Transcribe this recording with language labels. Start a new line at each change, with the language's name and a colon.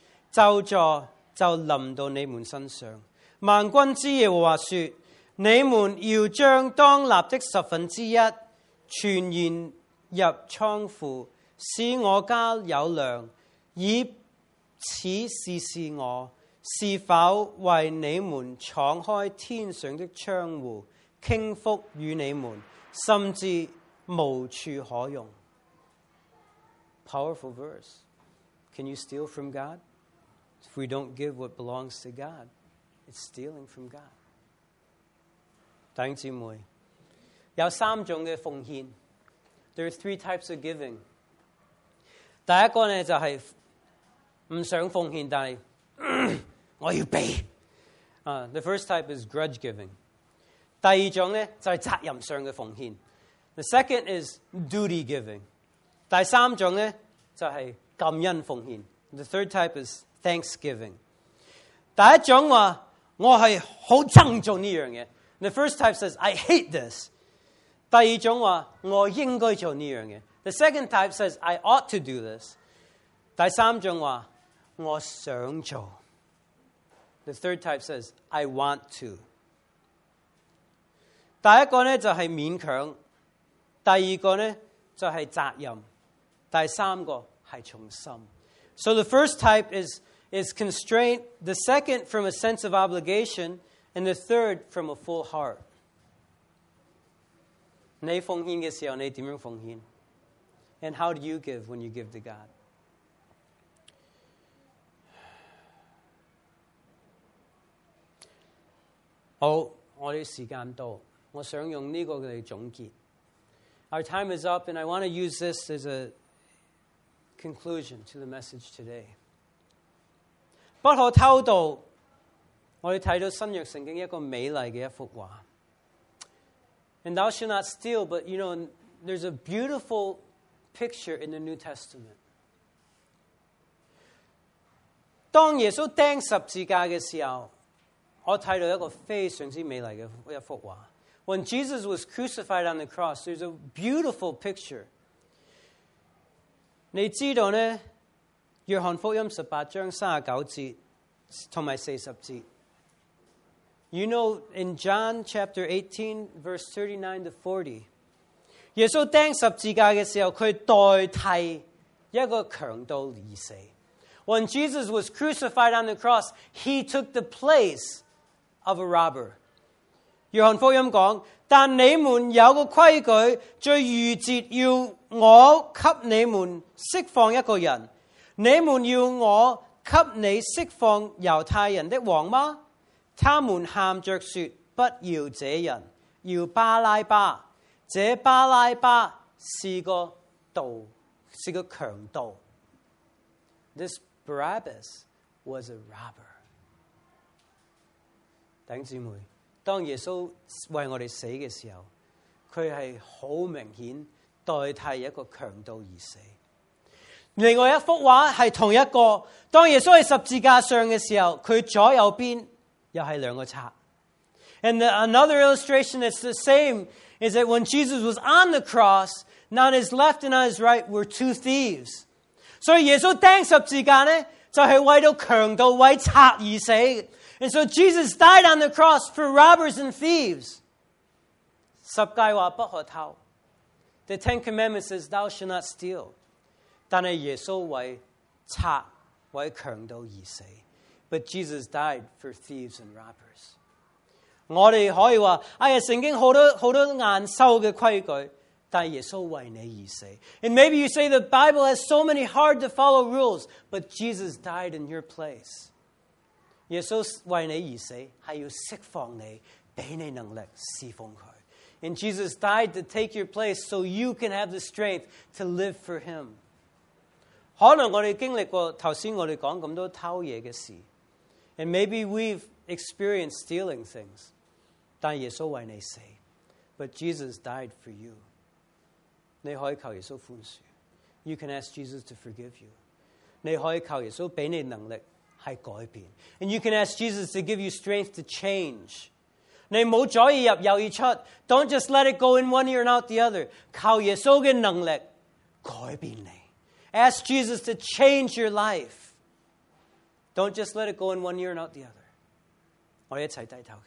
Chinese: 咒诅就临到你们身上。万军之耶和华说，你们要将当立的十分之一存现入仓库，使我家有粮，以此试试我是否为你们敞开天上的窗户，倾覆与你们，甚至无处可用。
English: Powerful verse. Can you steal from God? If we don't give what belongs to God, it's stealing from God.
Chinese: 弟兄姊妹，有三种的奉献。
English: There are three types of giving.
Chinese: 第一个呢，就是不想奉献，但是我要给。
English: The first type is grudge giving.
Chinese: 第二种呢，就是责任上的奉献。
English: The second is duty giving.
Chinese: 第三种呢，就是感恩奉献。
English: The third type is thanksgiving.
Chinese: 第一种话，我是很憎做这样的。
English: The first type says, I hate this.
Chinese: 第二种话，我应该做这样的。
English: The second type says, I ought to do this.
Chinese: 第三种话，我想做。
English: The third type says, I want to.
Chinese: 第一个呢，就是勉强。第二个呢，就是责任。第三个是从心。
English: So the first type is constraint, the second from a sense of obligation, and the third from a full heart.
Chinese: 你奉献的时候，你怎样奉献？
English: And how do you give when you give to God?
Chinese: 好，我的时间到，我想用这个来总结。
English: Our time is up, and I want to use this as a conclusion to the message today.
Chinese: 不可偷盗，我们看到新约圣经一个美丽的一幅画。
English: And thou shalt not steal, but you know, there's a beautiful picture in the New Testament.
Chinese: 当耶稣钉十字架的时候，我看到一个非常美丽的一幅画。
English: When Jesus was crucified on the cross, there's a beautiful picture.
Chinese: 你知道呢，约翰福音十八章三十九节同埋四十节。
English: You know, in John chapter 18, verse 39 to 40,
Chinese: 耶稣钉十字架嘅时候，佢代替一个强盗离世。
English: When Jesus was crucified on the cross, he took the place of a robber.
Chinese: 约翰福音讲，但你们有个规矩，在逾节要我给你们释放一个人，你们要我给你释放犹太人的王吗？他们喊着说，不要这人，要巴拉巴。这巴拉巴是个盗，是个强盗。
English: This Barabbas was a robber.
Chinese: 弟兄姊妹，当耶稣为我们死的时候，他是很明显代替一个强盗而死。另外一幅画是同一个，当耶稣在十字架上的时候，他左右边又是两个贼。
English: And another illustration that's the same is that when Jesus was on the cross, on his left and on his right were two thieves.
Chinese: 所以耶稣钉十字架呢，就是为了强盗为贼而死。
English: And so Jesus died on the cross for robbers and thieves.
Chinese: 十戒话不可偷。
English: The Ten Commandments says, thou shalt not steal.
Chinese: 但是耶稣为贼，为强盗而死。
English: But Jesus died for thieves and robbers.
Chinese: 我们可以说，哎呀，圣经很多难受的规矩，但耶稣为你而死。
English: And maybe you say the Bible has so many hard to follow rules, but Jesus died in your place.
Chinese: 耶稣为你而死，是要释放你，给你能力侍奉他。
English: And Jesus died to take your place so you can have the strength to live for him.
Chinese: 可能我们经历过刚才我们讲这么多偷东西的事。
English: And maybe we've experienced stealing things.
Chinese: 但耶稣为你死。
English: But Jesus died for you.
Chinese: 你可以求耶稣宽恕。
English: You can ask Jesus to forgive you.
Chinese: 你可以求耶稣给你能力。
English: And you can ask Jesus to give you strength to change.
Chinese: 你冇左耳入右耳出，
English: don't just let it go in one ear and out the other.
Chinese: 靠耶稣嘅能力改变你。
English: Ask Jesus to change your life. Don't just let it go in one ear and out the other.